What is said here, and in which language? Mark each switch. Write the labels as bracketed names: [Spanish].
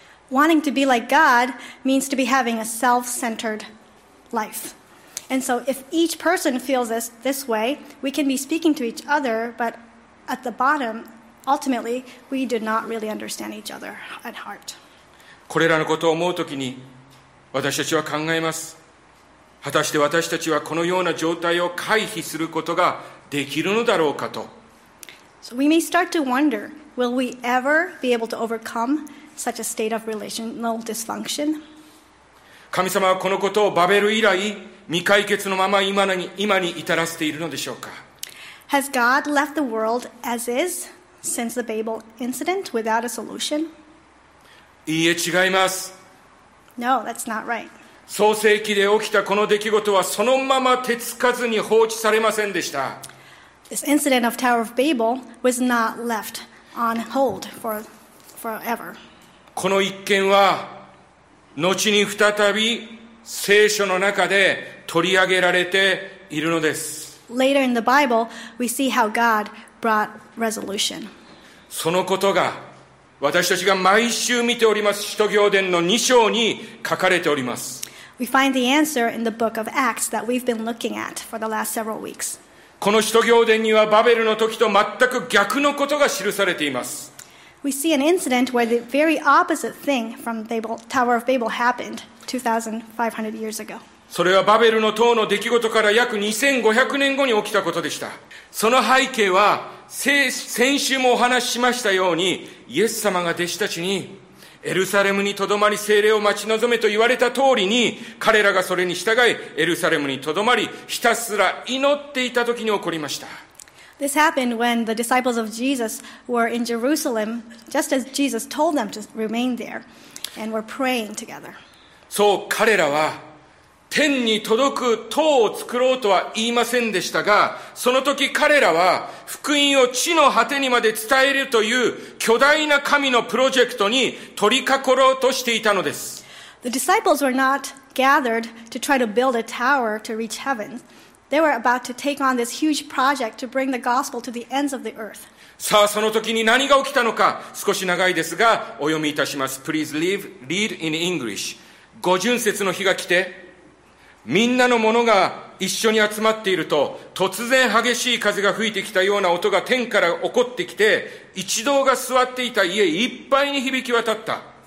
[English] Wanting to be like God means to be having a self-centered life. And so if each person feels this way, we can be speaking to each other, but at the bottom, ultimately, we do not really understand each other at heart. [Japanese] これらのことを思うときに、私たちは考えます。果たして私たちはこのような状態を回避することができるのだろうかと。 [English] So we may start to wonder, will we ever be able to overcome such a state of relational dysfunction? [Japanese] 神様はこのことをバベル以来未解決のまま今に至らせているのでしょうか。 [English] Has God left the world as is since the Babel incident without a solution? [Japanese] いいえ、違います。 [English] No, that's not right. [Japanese] 創世記で起きたこの出来事はそのまま手つかずに放置されませんでした。 [English] This incident of Tower of Babel was not left on hold forever. [Japanese] この一件は後に再び聖書の中で取り上げられているのです。 [English] Later in the Bible, we see how God brought resolution. [Japanese] そのことが私たちが毎週見ております使徒行伝の2章に書かれております。 [English] We find the answer in the book of Acts that we've been looking at for the last several weeks. [Japanese] この使徒行伝にはバベルの時と全く逆のことが記されています。 [English] We see an incident where the very opposite thing from Babel, Tower of Babel happened 2,500 years ago. [Japanese] それはバベルの塔の出来事から約2500年後に起きたことでした。その背景は先週もお話ししましたようにイエス様が弟子たちにエルサレムにとどまり聖霊を待ち望めと言われた通りに彼らがそれに従いエルサレムにとどまりひたすら祈っていた時に起こりました。 [English] This happened when the disciples of Jesus were in Jerusalem, just as Jesus told them to remain there, and were praying together. [Japanese] そう、彼らは天に届く塔を作ろうとは言いませんでしたが、その時彼らは福音を地の果てにまで伝えるという巨大な神のプロジェクトに取り囲ろうとしていたのです。 [English] The disciples were not gathered to try to build a tower to reach heaven. They were about to take on this huge project to bring the gospel to the ends of the earth. [Japanese] さあその時に何が起きたのか少し長いですがお読みいたします。 [English] Please read in English. [Japanese] 五旬節の日が来てみんなの者が一緒に集まっていると突然激しい風が吹いてきたような音が天から起こってきて一堂が座っていた家いっぱいに響き渡った。